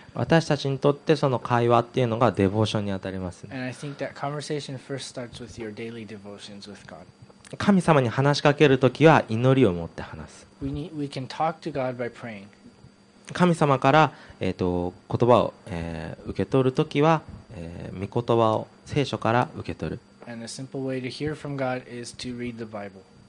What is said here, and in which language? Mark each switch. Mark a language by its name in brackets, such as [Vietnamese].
[Japanese] 私たちにとってその会話っていうのがデボーションにあたります、 [English] ね。And I think that conversation first starts with your daily devotions with God. [Japanese] 神様に話しかけるときは祈りを持って話す。 [English] We can talk to God by praying. [Japanese] 神様から、言葉を、受け取るときは、御言葉を聖書から受け取る。 [English] And a simple way to hear from God is to read the Bible.